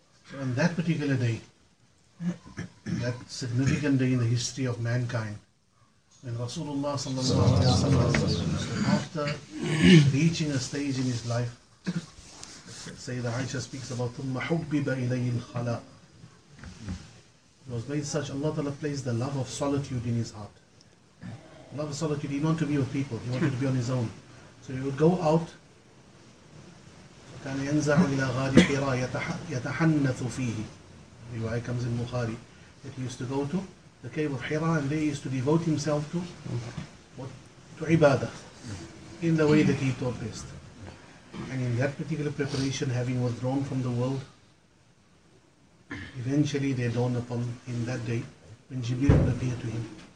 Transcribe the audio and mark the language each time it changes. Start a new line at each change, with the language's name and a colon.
English: So on that particular day, that significant day in the history of mankind, when Rasulullah sallallahu alaihi wasallam, after reaching a stage in his life, Sayyidah Aisha speaks about
Arabic: ثُمَّ حُبِّبَ إِلَيْهِ الْخَلَىٰ.
English: It was made such, Allah Ta'ala placed the love of solitude in his heart. Love of solitude, he didn't want to be with people, he wanted to be on his own. So he would go out,
Arabic: كَانَ يَنْزَعُ إِلَىٰ غَارِ قِرَىٰ يَتَحَنَّثُ فِيهِ.
English: Riwayah comes in Bukhari, that he used to go to the cave of Hira, and there he used to devote himself to what? To ibadah, in the way that he thought best. And in that particular preparation, having withdrawn from the world, eventually they dawned upon him that day when Jibreel appeared to him.